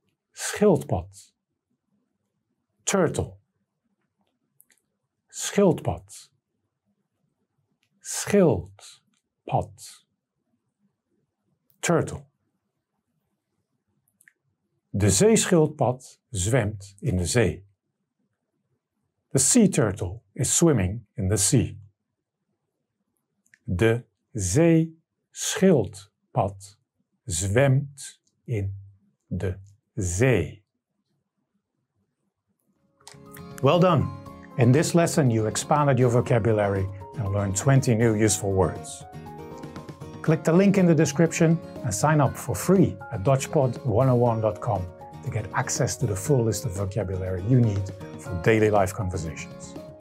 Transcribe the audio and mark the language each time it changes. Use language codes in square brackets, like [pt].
[nl] Schildpad. Turtle. Schildpad. Schildpad. Turtle. De zeeschildpad zwemt in de zee. [en] The sea turtle is swimming in the sea. [nl] De zeeschildpad zwemt in de zee. [en] Well done. In this lesson, you expanded your vocabulary and learned 20 new useful words. Click the link in the description and sign up for free at DutchPod101.com to get access to the full list of vocabulary you need for daily life conversations.